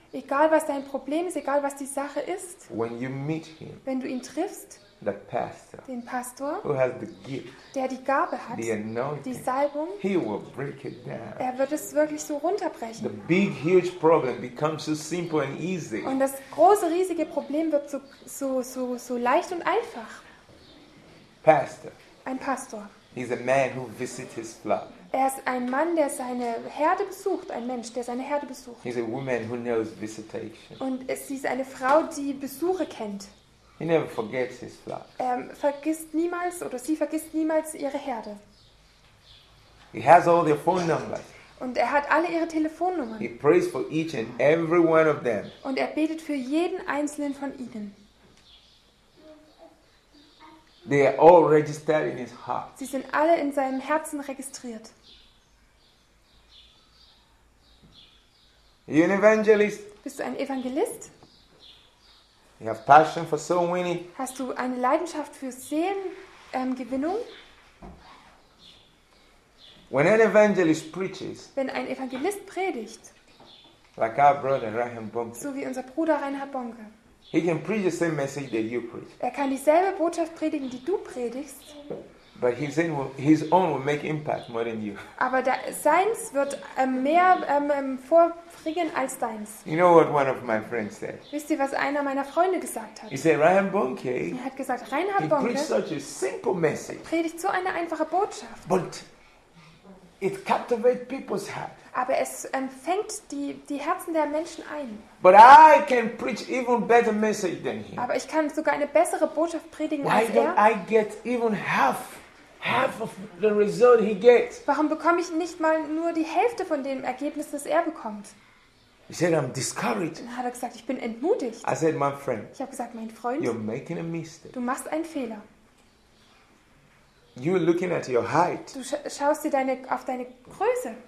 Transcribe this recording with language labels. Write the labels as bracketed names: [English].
[German] Egal was dein Problem ist, egal was die Sache ist. [English] When you meet him. [German] Wenn du ihn triffst. [English] The pastor. [German] Den Pastor. [English] Who has the gift. [German] Der die Gabe hat. [English] The anointing. [German] Die Salbung. [English] He will break it down. [German] Er wird es wirklich so runterbrechen. [English] The big huge problem becomes so simple and easy. [German] Und das große riesige Problem wird so leicht und einfach. [English] Pastor. [German] Ein Pastor. [English] He's a man who visits his flock. [German] Er ist ein Mann, der seine Herde besucht, ein Mensch, der seine Herde besucht. [English] He's a woman who knows visitation. [German] Und sie ist eine Frau, die Besuche kennt. [English] He never forgets his flock. [German] Er vergisst niemals oder sie vergisst niemals ihre Herde. [English] He has all their phone numbers. [German] Und er hat alle ihre Telefonnummern. [English] He prays for each and every one of them. [German] Und er betet für jeden einzelnen von ihnen. [English] They are all registered in his heart. [German] Sie sind alle in seinem Herzen registriert. [English] Are you an evangelist? [German] Bist du ein Evangelist? [English] You have passion for soul winning. [German] Hast du eine Leidenschaft für Seelen, Gewinnung? [English] When an evangelist preaches. [German] Wenn ein Evangelist predigt. [English] Like our brother Reinhard Bonke. [German] So wie unser Bruder Reinhard Bonke. [English] He can preach the same message that you preach. [German] Er kann dieselbe Botschaft predigen, die du predigst. [English] But his own will make impact more than you. [German] Aber seins wird mehr vorbringen als deins. [English] You know what one of my friends said? [German] Wisst ihr, was einer meiner Freunde gesagt hat? [English] He said Reinhard Bonke. [German] Er hat gesagt, Reinhard Bonke. [English] He preached such a simple message. [German] Predigt so eine einfache Botschaft. [English] But it captivates people's heart. [German] Aber es fängt die Herzen der Menschen ein. [English] But I can preach even better message than him. [German] Aber ich kann sogar eine bessere Botschaft predigen [English] Why [German] als er. [English] Why don't I get even half of the result he gets? [German] Warum bekomme ich nicht mal nur die Hälfte von dem Ergebnis, das er bekommt? [English] He said, I'm discouraged. [German] Dann hat er gesagt, ich bin entmutigt. [English] I said, my friend. [German] Ich habe gesagt, mein Freund. [English] You're making a mistake. [German] Du machst einen Fehler. [English] You're looking at your height. [German] Du schaust dir auf deine Größe.